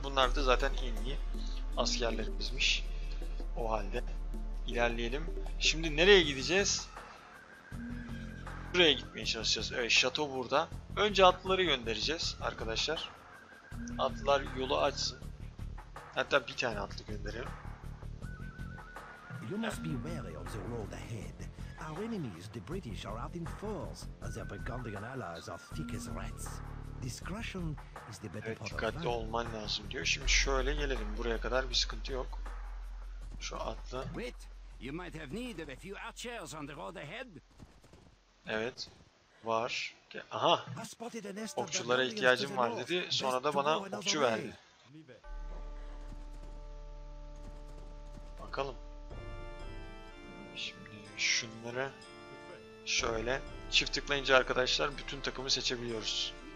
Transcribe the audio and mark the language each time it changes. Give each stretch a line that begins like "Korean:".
Turkish: Bunlar da zaten en iyi askerlerimizmiş. O halde ilerleyelim. Şimdi nereye gideceğiz? Buraya gitmeye çalışacağız. Evet, şato burada. Önce atlıları göndereceğiz arkadaşlar. Atlılar yolu açsın. Hatta bir tane atlı gönderelim.
English: You must be wary of the road ahead. Our enemies, the British, are out in force, and their Burgundian allies are thick as rats. Discretion is the better part of valor.
Turkish: Dikkatli olman lazım diyor. Şimdi şöyle gelelim, buraya kadar bir sıkıntı yok. Şu atlı.
English: Wait, you might have need of a few archers on the road ahead.
Turkish: Evet, var. Aha, okçulara ihtiyacım var dedi. Sonra da bana okçu verdi. Bakalım. Şunları şöyle çift tıklayınca arkadaşlar bütün takımı seçebiliyoruz.